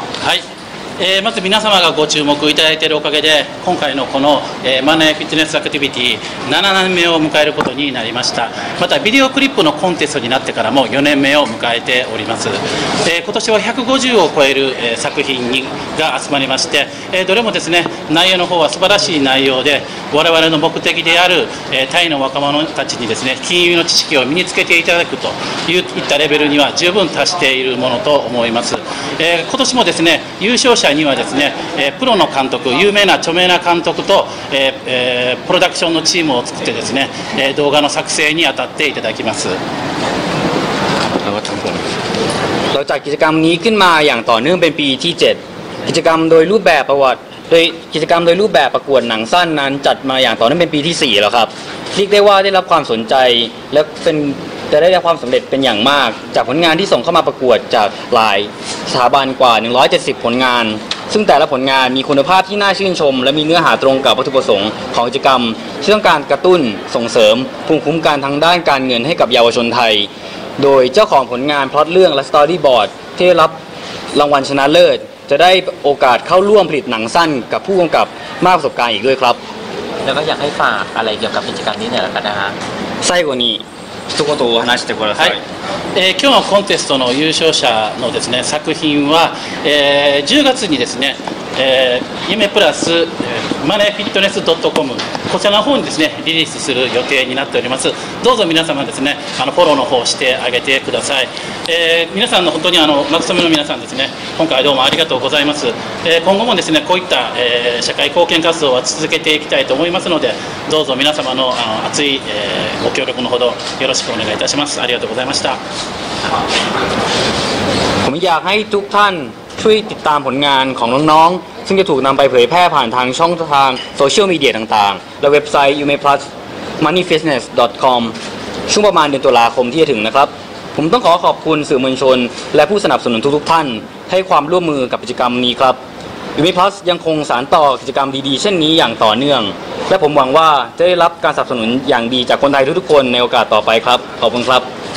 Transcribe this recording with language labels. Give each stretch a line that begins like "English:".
Japanese: はいまず皆様がご注目いただいているおかげで今回のこのマネーフィットネスアクティビティ7年目を迎えることになりましたまたビデオクリップのコンテストになってからも4年目を迎えております今年は150を超える作品が集まりましてどれもですね内容の方は素晴らしい内容で我々の目的であるタイの若者たちにですね金融の知識を身につけていただくといったレベルには十分達しているものと思います今年もですね優勝視聴者にはですね、プロの監督、有名な著名な監督と、プロダクションのチームを作ってですね、動画の作成に当たっていただきます。
Thai: เราจัดกิจกรรมนี้ขึ้นมาอย่างต่อเนื่องเป็นปีที่7กิจกรรมโดยรูปแบบประวัติโดยกิจกรรมโดยรูปแบบประกวดหนังสั้นนั้นจัดมาอย่างต่อเนื่องเป็นปีที่4แล้วครับเรียกได้ว่าได้รับความสนใจแ ละได้ความสำเร็จเป็นอย่างมากจากผลงานที่ส่งเข้ามาประกวดจากหลายสถาบันกว่า170ผลงานซึ่งแต่ละผลงานมีคุณภาพที่น่าชื่นชมและมีเนื้อหาตรงกับวัตถุประสงค์ของกิจกรรมที่ต้องการกระตุ้นส่งเสริมภูมิคุ้มกันทางด้านการเงินให้กับเยาวชนไทยโดยเจ้าของผลงานพล็อตเรื่องและสตอรี่บอร์ดที่รับรางวัลชนะเลิศจะได้โอกาสเข้าร่วมผลิตหนังสั้นกับผู้กำกับมากประสบการณ์อีกด้วยครับ แล้วก็อยากให้ฝากอะไรเกี่ยวกับกิจกรรมนี้หน่อยละกันนะฮะ ใช่กว่านี้
Japanese: 一言お話してください、はい今日のコンテストの優勝者のですね作品は、10月にですね、夢プラスマネーフィットネス .com こちらの方にですねリリースする予定になっております。どうぞ皆様ですねあのフォローの方してあげてください、皆さんの本当にあのマスコミの皆さんですね今回どうもありがとうございます、今後もですねこういった、社会貢献活動は続けていきたいと思いますのでどうぞ皆様 の熱い、ご協力のほどよろしくお願いいたします。ありがとうございました。
Thai: ผมอยากให้ทุกท่านช่วยติดตามผลงานของน้องๆซึ่งจะถูกนำไปเผยแพร่ผ่านทางช่องทางโซเชียลมีเดียต่างๆและเว็บไซต์ umeplusmoneyfitness.com ช่วงประมาณเดือนตุลาคมที่จะถึงนะครับผมต้องขอขอบคุณสื่อมวลชนและผู้สนับสนุนทุกๆท่านให้ความร่วมมือกับกิจกรรมนี้ครับ umeplus ยังคงสานต่อกิจกรรมดีๆเช่นนี้อย่างต่อเนื่องและผมหวังว่าจะได้รับการสนับสนุนอย่างดีจากคนไทยทุกๆคนในโอกาสต่อไปครับขอบคุณครับ